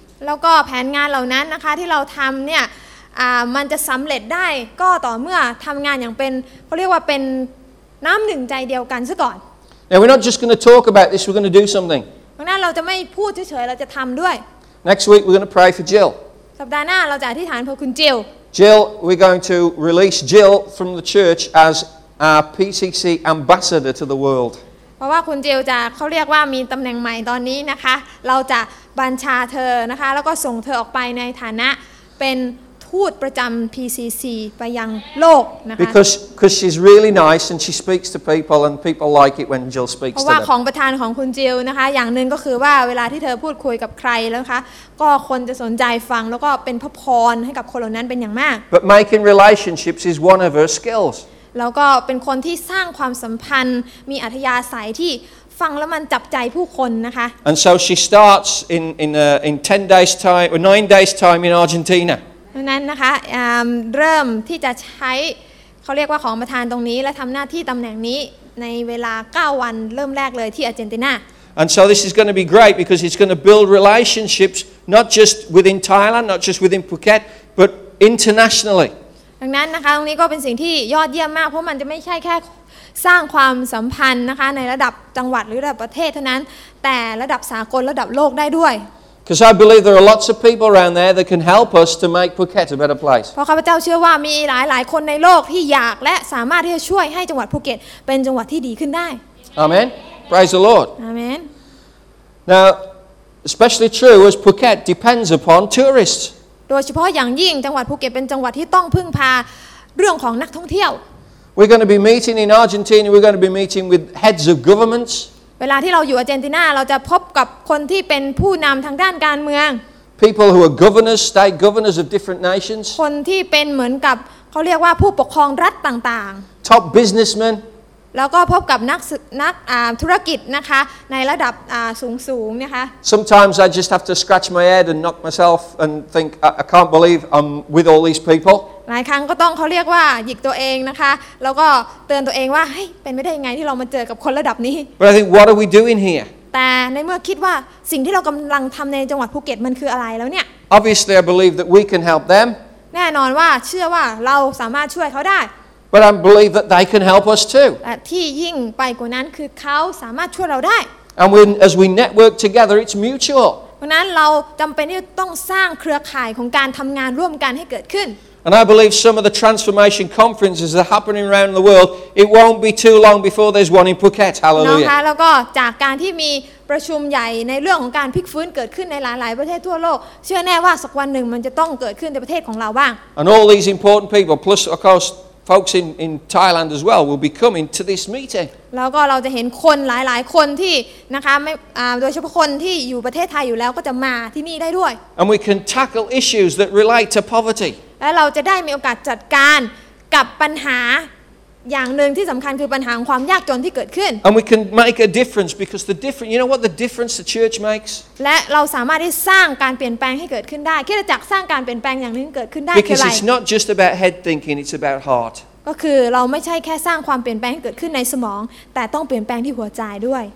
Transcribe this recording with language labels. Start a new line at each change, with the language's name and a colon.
Thai: แล้วก็แผนงานเหล่านั้นนะคะที่เราทำเนี่ยมันจะสำเร็จได้ก็ต่อเมื่อทำงานอย่างเป็นเขาเรียกว่าเป็นน้ำหนึ่งใจเดียวกันซะก่อน
English: Now we're not just going to talk about this we're going to do something
Thai: เพราะนั้นเราจะไม่พูดเฉยๆเราจะทำด้วย
English: Next week we're going to pray for Jill
Thai: สัปดาห์หน้าเราจะอธิษฐานเพื่อคุณ Jill
English: Jill we're going to release Jill from the church as our PCC ambassador to the world
Thai: เพราะว่าคุณ Jill จะเขาเรียกว่ามีตำแหน่งใหม่ตอนนี้นะคะเราจะบัญชาเธอนะคะแล้วก็ส่งเธอออกไปในฐานะเป็นพูดประจำ PCC ไปยังโลกนะคะ
English: Because she's really nice and she speaks to people and people like it when Jill speaks to them
Thai: เพราะว่าของประธานของคุณ Jill นะคะอย่างนึงก็คือว่าเวลาที่เธอพูดคุยกับใครแล้วคะก็คนจะสนใจฟังแล้วก็เป็นพรให้กับคนเหล่านั้นเป็นอย่างมาก
English: But making relationships is one of her skills
Thai: แล้วก็เป็นคนที่สร้างความสัมพันธ์มีอัธยาศัยที่ฟังแล้วมันจับใจผู้คนนะคะ
English: And so she starts in 10 days time or 9 days time in Argentina
Thai: นั้นนะคะเริ่มที่จะใช้เขาเรียกว่าของประธานตรงนี้และทำหน้าที่ตำแหน่งนี้ในเวลา9วันเริ่มแรกเลยที่อาร์เจนตินา
English: And so this is going to be great because it's going to build relationships not just within Thailand not just within Phuket but internationally
Thai: ดังนั้นนะคะตรงนี้ก็เป็นสิ่งที่ยอดเยี่ยมมากเพราะมันจะไม่ใช่แค่สร้างความสัมพันธ์นะคะในระดับจังหวัดหรือระดับประเทศเท่านั้นแต่ระดับสากลระดับโลกได้ด้วย
English: Because I believe there are lots of people around there that can help us to make Phuket a better place.
Thai: เพราะข้าพเจ้าเชื่อว่ามีหลายๆคนในโลกที่อยากและสามารถที่จะช่วยให้จังหวัดภูเก็ตเป็นจังหวัดที่ดีขึ้นได้
English: Amen. Praise the Lord. Amen. Now, especially true as Phuket depends upon tourists.
Thai: โดยเฉพาะอย่างยิ่งจังหวัดภูเก็ตเป็นจังหวัดที่ต้องพึ่งพาเรื่องของนักท่องเที่ยว
English: We're going to be meeting in Argentina. We're going to be meeting with heads of governments.
Thai: เวลาที่เราอยู่อาร์เจนตินาเราจะพบกับคนที่เป็นผู้นำทางด้านการเมือง
English: People who are governors, state governors of different nations
Thai: คนที่เป็นเหมือนกับเขาเรียกว่าผู้ปกครองรัฐต่าง
English: ๆ Top businessmen
Thai: แล้วก็พบกับนักธุรกิจนะคะในระดับสูงๆนะคะ
English: Sometimes I just have to scratch my head and knock myself and think I can't believe I'm with all these people
Thai: หลายครั้งก็ต้องเขาเรียกว่าหยิกตัวเองนะคะแล้วก็เตือนตัวเองว่าเฮ้ยเป็นไม่ได้ยังไงที่เรามาเจอกับคนระดับนี้
English: But I think what are we doing here
Thai: แต่ในเมื่อคิดว่าสิ่งที่เรากำลังทำในจังหวัดภูเก็ตมันคืออะไรแล้วเนี่ย
English: Obviously I believe that we can help them
Thai: แน่นอนว่าเชื่อว่าเราสามารถช่วยเขาได้
English: But I believe that they can help us too.
Thai: ที่ยิ่งไปกว่านั้นคือเขาสามารถช่วยเราได้
English: And when as we network together, it's mutual.
Thai: เพราะนั้นเราจำเป็นที่ต้องสร้างเครือข่ายของการทำงานร่วมกันให้เกิดขึ้น
English: And I believe some of the transformation conferences that are happening around the world, it won't be too long before there's one in Phuket. Hallelujah.
Thai: แล้วก็จากการที่มีประชุมใหญ่ในเรื่องของการพลิกฟื้นเกิดขึ้นในหลายๆประเทศทั่วโลกเชื่อแน่ว่าสักวันหนึ่งมันจะต้องเกิดขึ้นในประเทศของเราบ้าง
English: And all these important people, plus of course. Folks in Thailand as well will be coming to this meeting.
Thai: แล้วก็เราจะเห็นคนหลายๆคนที่นะคะไม่โดยเฉพาะคนที่อยู่ประเทศไทยอยู่แล้วก็จะมาที่นี่ได้ด้วย
English: And we can tackle issues that relate to poverty.
Thai: และเราจะได้มีโอกาสจัดการกับปัญหาอย่างนึงที่สำคัญคือปัญหาของความยากจนที่เกิดขึ้น
English: And we can make a difference because the difference you know what the difference the church makes
Thai: และเราสามารถที่สร้างการเปลี่ยนแปลงให้เกิดขึ้นได้คริสตจักรสร้างการเปลี่ยนแปลงอย่างนึงเกิดขึ้นได้คืออะไร
English: Because it's not just about head thinking it's about heart ก
Thai: ก็คือเราไม่ใช่แค่สร้างความเปลี่ยนแปลงเกิดขึ้นในสมองแต่ต้องเปลี่ยนแปลงที่หัวใจด้วย